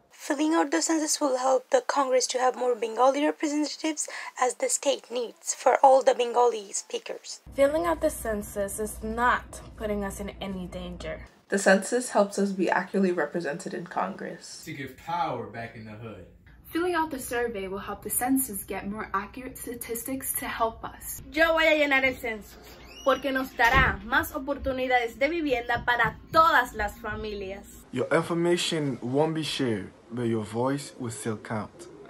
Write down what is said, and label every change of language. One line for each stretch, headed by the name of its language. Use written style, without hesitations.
English: Filling out the census will help the Congress to have more Bengali representatives as the state needs for all the Bengali speakers. Filling out the census is not putting us in any danger. The census helps us be accurately represented in Congress. To give power back in the hood. Filling out the survey will help the census get more accurate statistics to help us.
Spanish: Yo voy a llenar el census porque nos dará más oportunidades de vivienda para todas las familias.
English: Your information won't be shared, but your voice will still count.